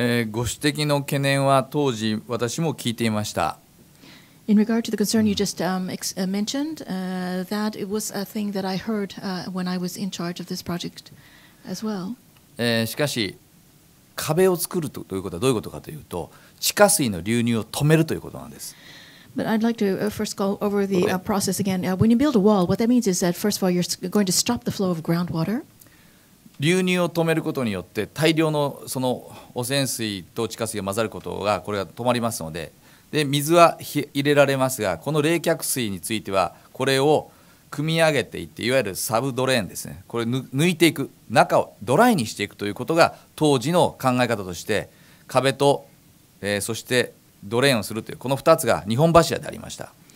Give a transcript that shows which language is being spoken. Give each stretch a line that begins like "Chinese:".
Japanese: ご指摘の懸念は当時私も聞いていました。
English: In regard to the concern you just mentioned, that it was a thing that I heard when I was in charge of this project as well.
Japanese: しかし壁を作るということはどういうことかというと、地下水の流入を止めるということなんです。
English: But I'd like to first go over the process again. When you build a wall, what that means is that first of all, you're going to stop the flow of groundwater.
Japanese: 流入を止めることによって大量のその汚染水と地下水が混ざることがこれが止まりますので、で水は入れられますが、この冷却水についてはこれを組み上げていって、いわゆるサブドレーンですね、これ抜いていく、中をドライにしていくということが当時の考え方として、壁と、そしてドレーンをするという、この2つが日本柱でありました。